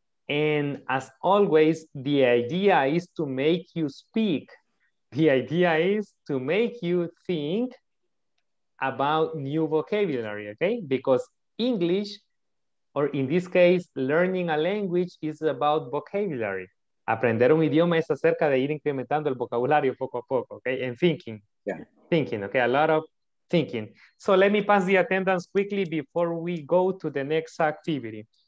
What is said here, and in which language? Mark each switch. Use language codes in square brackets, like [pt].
[en] And as always, the idea is to make you speak. The idea is to make you think about new vocabulary, okay? Because English, or in this case, learning a language is about vocabulary. [es] Aprender un idioma es acerca de ir incrementando el vocabulario poco a poco, okay? [en] And thinking. Yeah. Thinking, okay? A lot of thinking. So let me pass the attendance quickly before we go to the next activity.